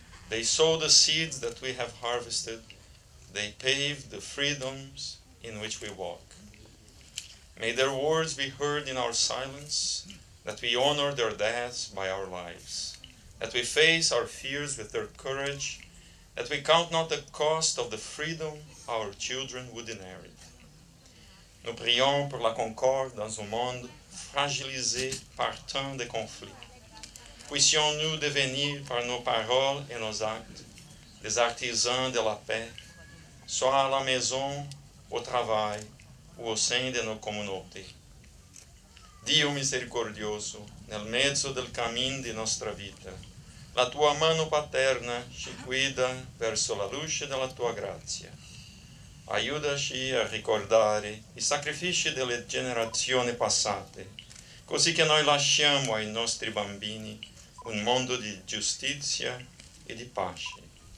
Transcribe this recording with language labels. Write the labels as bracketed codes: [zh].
[en] They sowed the seeds that we have harvested. They paved the freedoms in which we walk. May their words be heard in our silence, that we honor their deaths by our lives, that we face our fears with their courage, that we count not the cost of the freedom our children would inherit. [fr] Nous prions pour la concorde dans un monde fragilisé par tant de conflits. Puissions-nous devenir par nos paroles et nos actes des artisans de la paix, soit à la maison, au travail ou au sein de nos communautés. [it] Dio misericordioso, nel mezzo del cammin di nostra vita, la tua mano paterna ci guida verso la luce della tua grazia. Aiutaci a ricordare i sacrifici delle generazioni passate, così che noi lasciamo ai nostri bambini un mondo di giustizia e di pace.